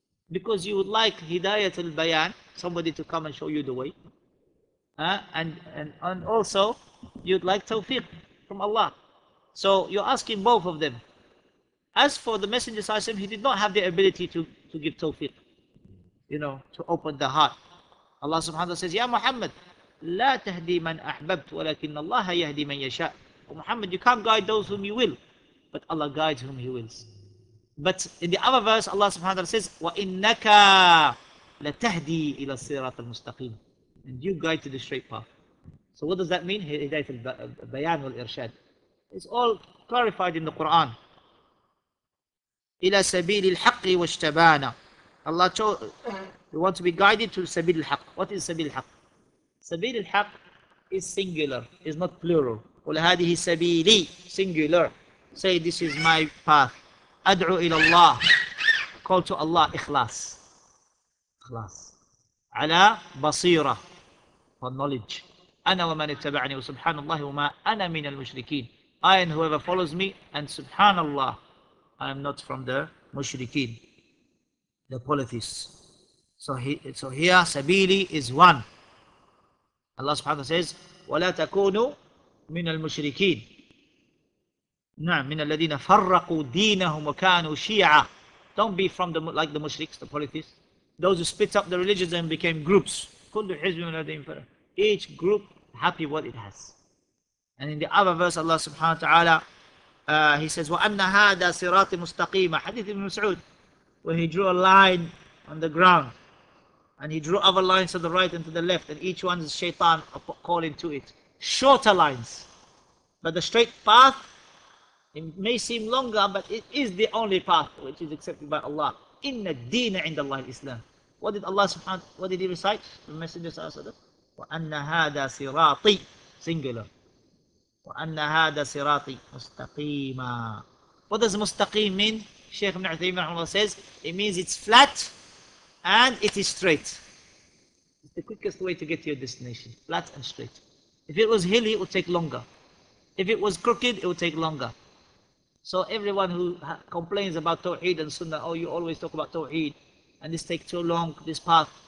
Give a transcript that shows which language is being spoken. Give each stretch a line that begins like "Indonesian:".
English: Because you would like hidayat al-bayan, somebody to come and show you the way. And also, you'd like tawfiq from Allah. So you're asking both of them. As for the Messenger Sallallahu Alaihi Wasallam, he did not have the ability to give tawfiq, you know, to open the heart.
Arabic: Allah subhanahu wa ta'ala says, Ya Muhammad, لا تهدي من أحببت ولكن الله يهدي من يشاء.
English: Oh Muhammad, you can't guide those whom you will, but Allah guides whom He wills. But in the other verse, Allah subhanahu wa ta'ala says,
Arabic: وَإِنَّكَ لَتَهْدِي إِلَى الصِّرَاطِ الْمُسْتَقِيمِ.
English: And you guide to the straight path. So what does that mean?
Arabic: هِدَيْتِ الْبَيَانُ وَالْإِرْشَادِ.
English: It's all clarified in the Quran.
Arabic: إِلَى سَبِيلِ الْحَقِّ وَاشْتَبَانَ.
English: Allah told, we want to be guided to سَبِيل الْحَقِّ. What is سَبِيل الْحَقِّ? سَبِيل الْحَقِّ is singular, is not plural.
Arabic: قُلْ هَذِهِ سَبِيلِي, singular.
English: Say, this is my path.
Arabic: أَدْعُوا إِلَى اللَّهِ.
English: Call to Allah, إخلاص.
Arabic: إخلاص. عَلَى بَصِيرَةٍ.
English: For knowledge.
Arabic: أَنَا وَمَنِ اتَّبَعَنِي وَسُبْحَانَ اللَّهِ وَمَا أَنَا مِنَ الْمُشْرِكِينَ.
English: I and whoever follows me, and subhanallah, I am not from the mushrikeen, the polytheists. So here, sabili is one.
Arabic: Allah subhanahu wa ta'ala says, وَلَا تَكُونُوا مِنَ الْمُشْرِكِينَ نَعْمْ مِنَ الَّذِينَ فَرَّقُوا دِينَهُمْ وَكَانُوا شِيعًا.
English: Don't be from the like the mushriks, the polytheists, those who split up the religions and became groups.
Arabic: كُلُّ حِزْبٍ لَدَيْنَ فَرَقٍ.
English: Each group happy what it has. And in the other verse, Allah subhanahu wa ta'ala, he says,
Arabic: وَأَنَّ هَذَا صِرَاطِ مُسْتَقِيمًا.
English: Hadith ibn Mas'ud, when he drew a line on the ground, and he drew other lines to the right and to the left, and each one is shaitan calling to it. Shorter lines. But the straight path, it may seem longer, but it is the only path which is accepted by Allah.
Arabic: إِنَّ الدِّينَ عِنْدَ اللَّهِ الْإِسْلَامِ.
English: What did Allah subhanahu wa ta'ala, what did he recite? The Messenger sallallahu alayhi wa sallam.
Arabic: وَأَنَّ هَذَا صِرَاطِي singular. وَأَنَّ هَذَا صِرَاطِي مُسْتَقِيمًا.
English: What does مُسْتَقِيم mean? Shaykh ibn Uthaymeen rahimahullah says, it means it's flat and it is straight. It's the quickest way to get to your destination, flat and straight. If it was hilly, it would take longer. If it was crooked, it would take longer. So everyone who complains about Tawheed and Sunnah, oh, you always talk about Tawheed and this takes too long, this path.